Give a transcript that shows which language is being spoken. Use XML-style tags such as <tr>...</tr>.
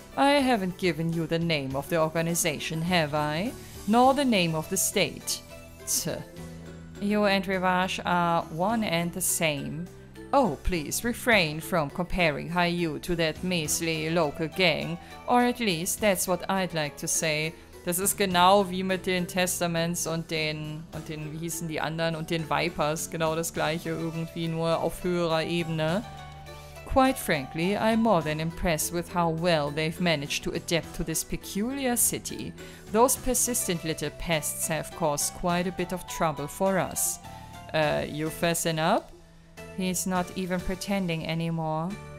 <en>I haven't given you the name of the organization, have I? Nor the name of the state. You and Rivash are one and the same. Oh, please, refrain from comparing HIU to that measly local gang. Or at least, that's what I'd like to say.</en> <de>Das ist genau wie mit den Testaments und den, wie hießen die anderen, und den Vipers. Genau das gleiche, irgendwie nur auf höherer Ebene.</de> <en>Quite frankly, I'm more than impressed with how well they've managed to adapt to this peculiar city. Those persistent little pests have caused quite a bit of trouble for us. You fessing up? He's not even pretending anymore.</en>